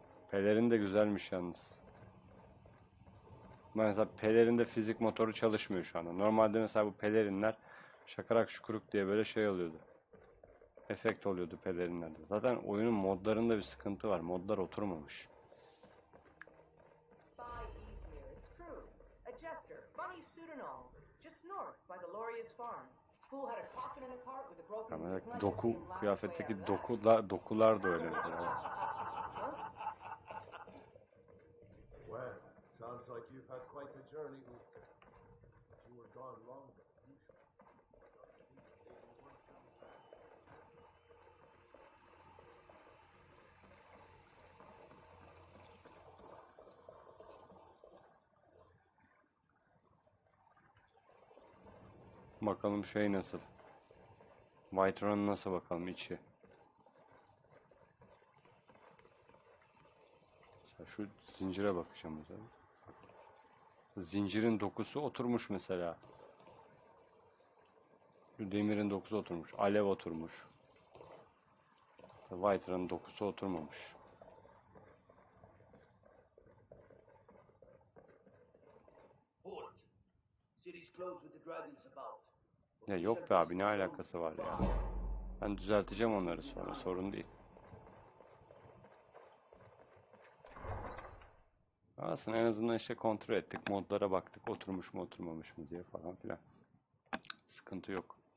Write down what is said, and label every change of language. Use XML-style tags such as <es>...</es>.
<tr>Pelerin de güzelmiş yalnız. Mesela pelerin de fizik motoru çalışmıyor şu anda. Normalde mesela bu pelerinler şakarak şukuruk diye böyle şey oluyordu. Efekt oluyordu pelerinlerde. Zaten oyunun modlarında bir sıkıntı var. Modlar oturmamış.</tr> <en>By Izmir, it's true. A jester, funny suit and all. Just north by the Loria's farm. Fool had a coffin in a cart with a broken leg.</en> <tr>Yani doku, kıyafetteki dokular da öyle.</tr> <en>Well, sounds like you've had quite the journey. You were gone long.</en> <tr>Bakalım şey nasıl? Whiterun nasıl bakalım içi? Mesela şu zincire bakacağım mesela. Zincirin dokusu oturmuş mesela. Şu demirin dokusu oturmuş. Alev oturmuş. Whiterun'un dokusu oturmamış.</tr> <en>Hold. City's closed with the dragons about.</en> <tr>Ya yok be abi, ne alakası var ya? Ben düzelteceğim onları sonra, sorun değil. Aslında en azından işte kontrol ettik, modlara baktık, oturmuş mu oturmamış mı diye falan filan. Sıkıntı yok.</tr>